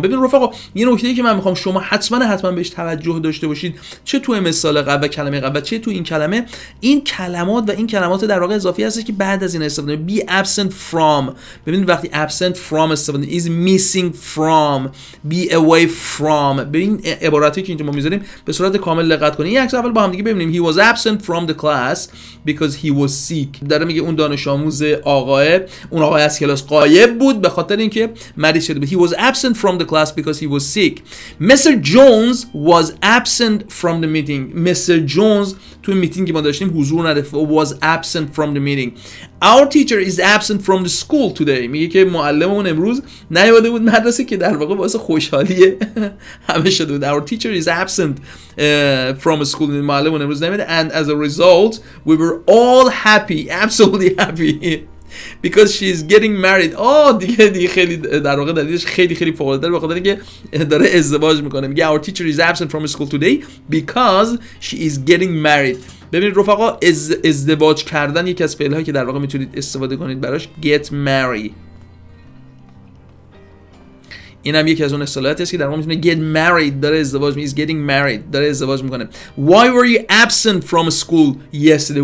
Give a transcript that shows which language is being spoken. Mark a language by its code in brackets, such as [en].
[fa] ببین رفقا یه نکته‌ای که من میخوام شما حتما بهش توجه داشته باشید، چه تو مثال قبل و کلمه قبل و چه تو این کلمه، این کلمات و این کلمات در واقع اضافی هست که بعد از این استفاده be absent from. ببین وقتی absent from استفاده، is missing from، be away from، ببین عباراتی که اینجا ما میذاریم به صورت کامل لغت کنیم. این عکس اول با هم دیگه ببینیم. [en] He was absent from the class because he was sick. [fa] داره میگه اون دانش آموز آقایه، اون آقای از کلاس غایب بود به خاطر اینکه مریض شده. [en] He was absent from the class because he was sick. Mr. Jones was absent from the meeting. Mr. [fa] Jones توی میتینگی ما داشتیم حضور نداشت. [en] Was absent from the meeting. Our teacher is absent from the school today. [fa] میگه که معلممون امروز نیومده بود مدرسه، که در واقع باعث خوشحالی همه شده بود. [en] Our teacher is absent from the school. [fa] معلممون امروز نیومده. [en] And as a result, we were all happy, absolutely happy. Because she is getting married. [fa] دیگه خیلی در واقع دلیلش خیلی خیلی فوق العاده به خاطر اینکه داره ازدواج میکنه. [en] میگه our teacher is absent from school today because she is getting married. [fa] ببینید رفقا ازدواج کردن یکی از فعلهایی که در واقع میتونید استفاده کنید براش، get married. اینم یکی از اون اصطلاحاتی است که در واقع میتونه get married، داره ازدواج میکنه، is getting married، داره ازدواج میکنه. [en] Why were you absent from school yesterday?